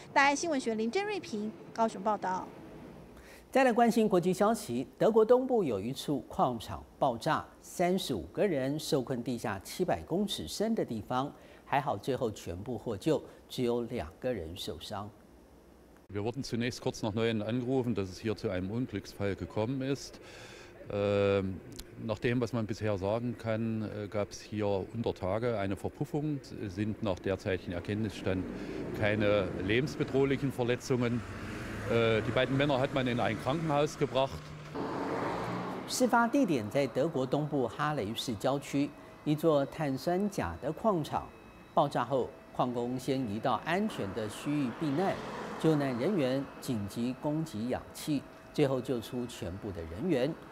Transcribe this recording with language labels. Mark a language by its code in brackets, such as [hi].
[zh] 大爱新闻学林真瑞平高雄报道。再来关心国际消息，德国东部有一处矿场爆炸，35个人受困地下700公尺深的地方，还好最后全部获救，只有2个人受伤。 [de] Wir wurden zunächst kurz nach Neuen angerufen, dass es hier zu einem Unglücksfall gekommen ist. Nach dem, was man bisher sagen kann, gab es hier unter Tage eine Verpuffung. Es sind nach derzeitigen Erkenntnisstand keine lebensbedrohlichen Verletzungen. Die beiden Männer hat man in ein Krankenhaus gebracht. [zh] 事发地点在德国东部哈雷市郊区，一座碳酸钾的矿场。爆炸后，矿工先移到安全的区域避难，救难人员紧急供给氧气，最后救出全部的人员。